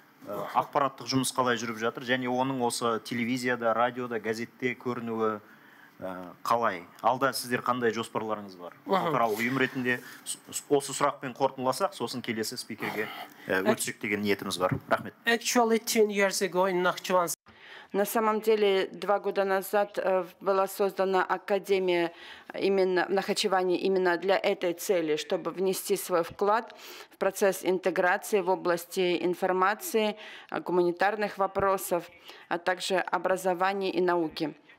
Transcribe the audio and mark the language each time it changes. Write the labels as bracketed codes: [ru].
[kk] Ақпараттық жұмыс қалай жүріп жатыр? Және оның осы телевизияда, радиода, газетте көрінуі қалай? Алда сіздер қандай жоспарларыңыз бар? Халықаралық ұйым ретінде осы сұрақпен қорытындыласақ, сосын келесі спикерге өтсек деген ниетіміз бар. Рахмет. [en] Actually, 10 years ago in Nakhchivan. [ru] На самом деле, 2 года назад была создана Академия именно в Нахачеване именно для этой цели, чтобы внести свой вклад в процесс интеграции в области информации, гуманитарных вопросов, а также образования и науки.